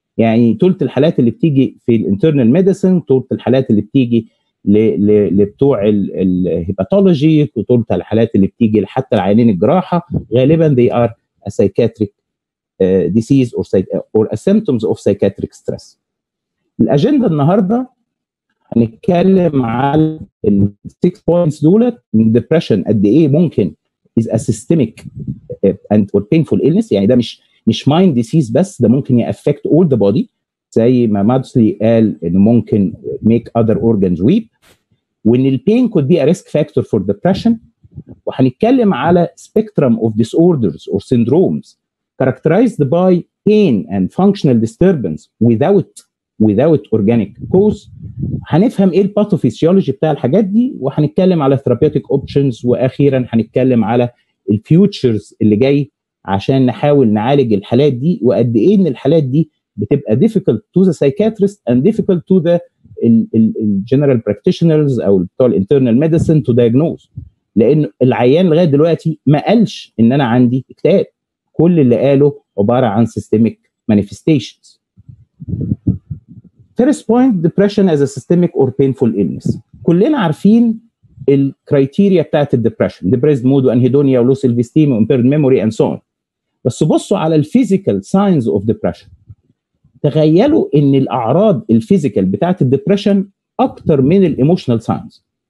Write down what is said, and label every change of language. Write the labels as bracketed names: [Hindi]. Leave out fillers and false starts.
[Arabic] يعني تلت الحالات اللي بتيجي في الانترنال ميديسن، تلت الحالات اللي بتيجي لبتوع الهيباتولوجي، وتلت الحالات اللي بتيجي حتى العينين الجراحة غالبا [English] they are a psychiatric disease or a symptoms of psychiatric stress. [Arabic] الأجندة النهاردة هنتكلم على الـ [English] 6 points [Arabic] دولت. [English] depression [Arabic] قد إيه ممكن [English] is a systemic and or painful illness، [Arabic] يعني ده مش [English] mind disease بس، ده ممكن يأفكت all the body [Arabic] زي ما مادسلي قال إنه ممكن [English] make other organs weep، وإن الـ pain could be a risk factor for depression. [Arabic] وهنتكلم على [English] spectrum of disorders or syndromes characterized by pain and functional disturbance without organic cause. [Arabic] هنفهم ايه الباثوفيسيولوجي بتاع الحاجات دي، وهنتكلم على [English] therapeutic options، [Arabic] واخيرا هنتكلم على الفيوتشرز اللي جاي عشان نحاول نعالج الحالات دي، وقد ايه ان الحالات دي بتبقى [English] difficult to the psychiatrist and difficult to the general practitioners [Arabic] او [English] the internal medicine to diagnose، [Arabic] لان العيان لغاية دلوقتي ما قالش ان انا عندي اكتئاب، كل اللي قاله عبارة عن [English] systemic manifestations. First point, depression as a systemic or painful illness. [Arabic] كلنا عارفين الكريتيريا بتاعت الدبريشن، [English] depressed mood [Arabic] وانهيدونيا ولوس الفيستيم و [English] impaired memory and so on. [Arabic] بس بصوا على الفيزيكال signs of depression. تخيلوا ان الاعراض الفيزيكال بتاعت الدبريشن اكتر من الايموشنال signs.